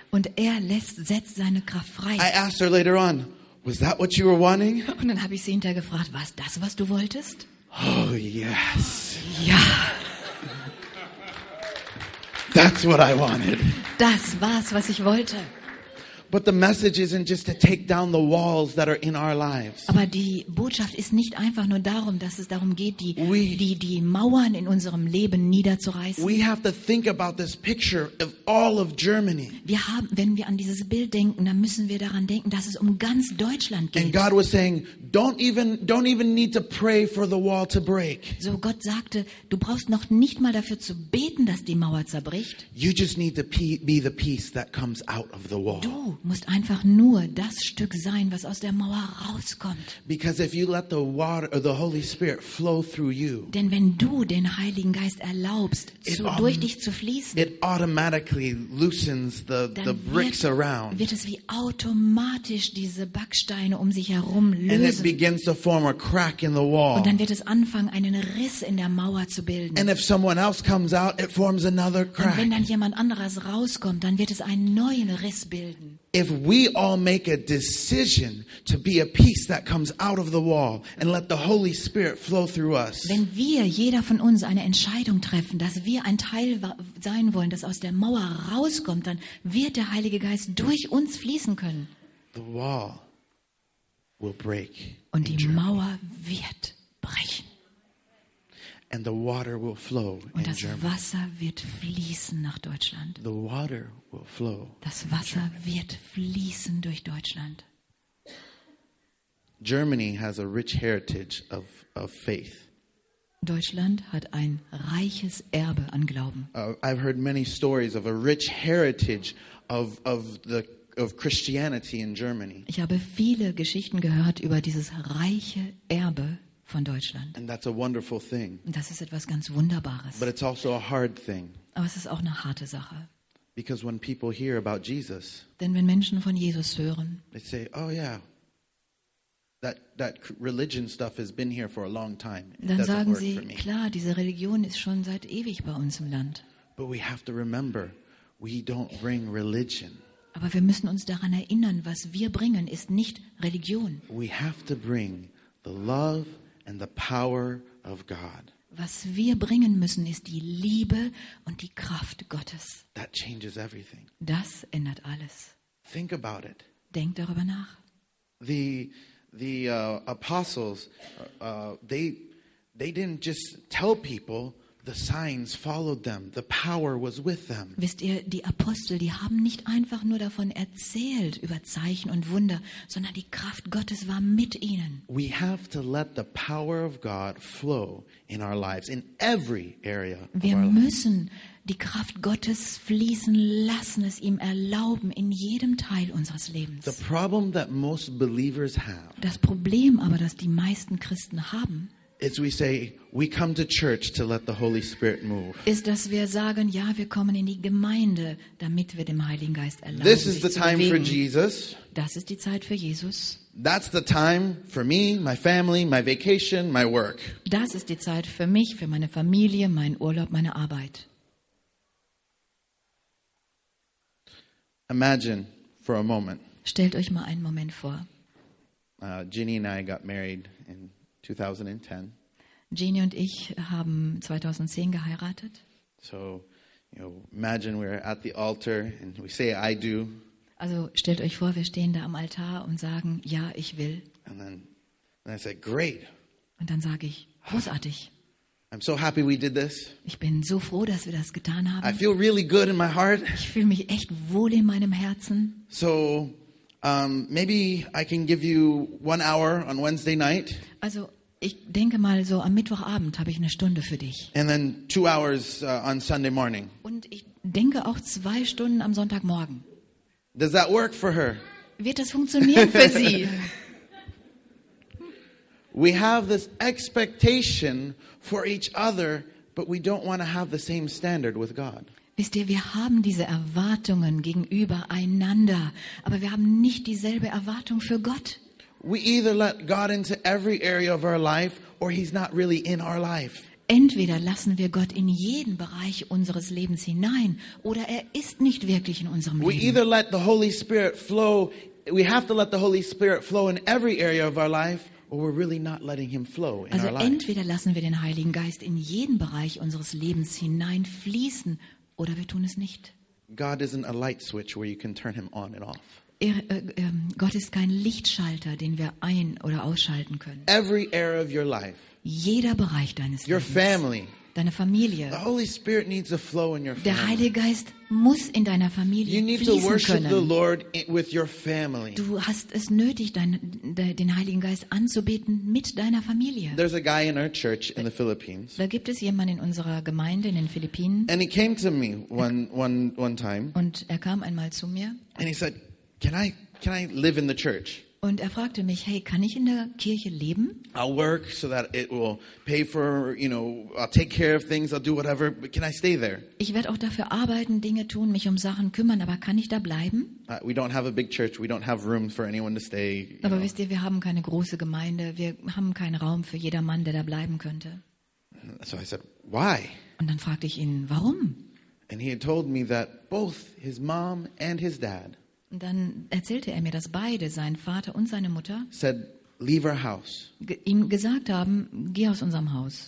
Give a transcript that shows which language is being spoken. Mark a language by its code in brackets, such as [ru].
[de] Und setzt seine Kraft frei. [en] I asked her later on, was that what you were wanting? [de] Und dann habe ich sie hinterher gefragt, war das, was du wolltest? [en] Oh, yes. [de] Ja. [en] That's what I wanted. [de] Das war's, was ich wollte. [en] But the message isn't just to take down the walls that are in our lives. [de] Aber die Botschaft ist nicht einfach nur darum, dass es darum geht, die Mauern in unserem Leben niederzureißen. [en] We have to think about this picture of all of Germany. [de] Wenn wir an dieses Bild denken, dann müssen wir daran denken, dass es um ganz Deutschland geht. [en] And God was saying, don't even need to pray for the wall to break. [de] So Gott sagte, du brauchst noch nicht mal dafür zu beten, dass die Mauer zerbricht. [en] You just need to be the piece that comes out of the wall. [de] Du musst einfach nur das Stück sein, was aus der Mauer rauskommt. [en] Because if you let the water or the Holy Spirit flow through you, [de] denn wenn du den Heiligen Geist erlaubst, durch dich zu fließen, [en] it automatically loosens the bricks around. [de] Wird es wie automatisch diese Backsteine um sich herum lösen. [en] And it begins to form a crack in the wall. [de] Und dann wird es anfangen, einen Riss in der Mauer zu bilden. [en] And if someone else comes out, it forms another crack. [de] Und wenn dann jemand anderes rauskommt, dann wird es einen neuen Riss bilden. [en] If we all make a decision to be a piece that comes out of the wall and let the Holy Spirit flow through us. [de] Wenn wir jeder von uns eine Entscheidung treffen, dass wir ein Teil sein wollen, das aus der Mauer rauskommt, dann wird der Heilige Geist durch uns fließen können. [en] The wall will break. [de] Und die Mauer wird brechen. [en] And the water will flow in Germany. [de] Und das Wasser wird fließen nach Deutschland. [en] The water will flow. [de] Das Wasser wird fließen durch Deutschland. [en] Germany has a rich heritage of faith. [de] Deutschland hat ein reiches Erbe an Glauben. [en] I've heard many stories of a rich heritage of Christianity in Germany. [de] Ich habe viele Geschichten gehört über dieses reiche Erbe von Deutschland. [en] And that's a wonderful thing. [de] Und das ist etwas ganz Wunderbares. [en] But it's also a hard thing. [de] Aber es ist auch eine harte Sache. [en] Because when people hear about Jesus, [de] denn wenn Menschen von Jesus hören, [en] they say, "Oh yeah, that religion stuff has been here for a long time." [de] Dann sagen sie, klar, diese Religion ist schon seit ewig bei uns im Land. [en] But we have to remember, we don't bring religion. [de] Aber wir müssen uns daran erinnern, was wir bringen, ist nicht Religion. [en] We have to bring the love and the power of God. [de] Was wir bringen müssen, ist die Liebe und die Kraft Gottes. [en] That changes everything. [de] Das ändert alles. [en] Think about it. [de] Denk darüber nach. [en] The apostles, they didn't just tell people. The signs followed them. The power was with them. [de] Wisst ihr, die Apostel, die haben nicht einfach nur davon erzählt über Zeichen und Wunder, sondern die Kraft Gottes war mit ihnen. [en] We have to let the power of God flow in our lives, in every area of our lives. [de] Wir müssen die Kraft Gottes fließen lassen, es ihm erlauben in jedem Teil unseres Lebens. [en] The problem that most believers have. [de] Das Problem aber, das die meisten Christen haben. [en] As we say, we come to church to let the Holy Spirit move. [de] Ist, dass wir sagen, ja, wir kommen in die Gemeinde, damit wir dem Heiligen Geist erlauben, sich zu bewegen. [en] This is the time for Jesus. [de] Das ist die Zeit für Jesus. [en] That's the time for me, my family, my vacation, my work. [de] Das ist die Zeit für mich, für meine Familie, meinen Urlaub, meine Arbeit. [en] Imagine for a moment. [de] Stellt euch mal einen Moment vor. [en] Ginny and I got married in 2010. [de] Jeannie und ich haben 2010 geheiratet. [en] So, you know, imagine we're at the altar and we say I do. [de] Also stellt euch vor, wir stehen da am Altar und sagen, ja, ich will. [en] And then I say great. [de] Und dann sage ich, großartig. [en] I'm so happy we did this. [de] Ich bin so froh, dass wir das getan haben. [en] I feel really good in my heart. [de] Ich fühle mich echt wohl in meinem Herzen. [en] So maybe I can give you 1 hour on Wednesday night. [de] Also, ich denke mal, so am Mittwochabend habe ich eine Stunde für dich. [en] And then 2 hours on Sunday morning. [de] Und ich denke auch 2 Stunden am Sonntagmorgen. [en] Does that work for her? [de] Wird das funktionieren für sie? [en] We have this expectation for each other, but we don't want to have the same standard with God. [de] Wisst ihr, wir haben diese Erwartungen gegenüber einander, aber wir haben nicht dieselbe Erwartung für Gott. [en] We either let God into every area of our life or he's not really in our life. [de] Entweder lassen wir Gott in jeden Bereich unseres Lebens hinein oder er ist nicht wirklich in unserem Leben. [en] We either let the Holy Spirit flow, we have to let the Holy Spirit flow in every area of our life. Or we're really not letting him flow in [de] also [en] our life. [de] Entweder lassen wir den Heiligen Geist in jeden Bereich unseres Lebens hineinfließen oder wir tun es nicht. [en] God isn't a light switch where you can turn him on and off. [de] Gott ist kein Lichtschalter, den wir ein- oder ausschalten können. [en] Every area of your life. [de] Jeder Bereich deines Lebens. [en] Your family. [de] Deine Familie. [en] The Holy Spirit needs a flow in your family. [de] Der Heilige Geist muss in deiner Familie [en] you need [de] fließen [en] to worship [de] können. [en] The Lord with your family. [de] Du hast es nötig, den Heiligen Geist anzubeten mit deiner Familie. [en] There's a guy in our church in the Philippines. [de] Da gibt es jemanden in unserer Gemeinde in den Philippinen. [en] And he came to me one time. [de] Und er kam einmal zu mir. [en] And he said, can I live in the church? [de] Und er fragte mich, hey, kann ich in der Kirche leben? [en] I'll work so that it will pay for, you know, I'll take care of things, I'll do whatever, but can I stay there? [de] Ich werde auch dafür arbeiten, Dinge tun, mich um Sachen kümmern, aber kann ich da bleiben? [en] We don't have a big church, we don't have room for anyone to stay. [de] Aber wisst ihr, wir haben keine große Gemeinde, wir haben keinen Raum für jedermann, der da bleiben könnte. [en] So I said, why? [de] Und dann fragte ich ihn, warum? [en] And he had told me that both his mom and his dad. [de] Und dann erzählte er mir, dass beide, sein Vater und seine Mutter, [en] said, leave our house. [de] Ihm gesagt haben, geh aus unserem Haus.